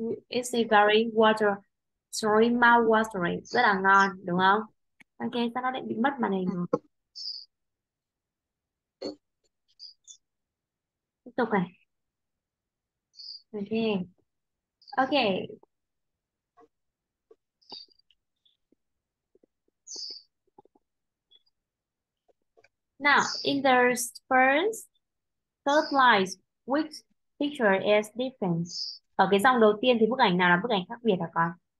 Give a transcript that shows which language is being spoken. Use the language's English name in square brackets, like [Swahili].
[English] It's very water, sorry, mouth watery. [Vietnamese] Rất là ngon, đúng không? Ok, sao nó lại bị mất màn hình rồi? Tiếp tục này. Ok. [English] Now, in the third slide, which picture is different? [Vietnamese] Ở cái dòng đầu tiên thì bức ảnh nào là bức ảnh khác biệt hả con?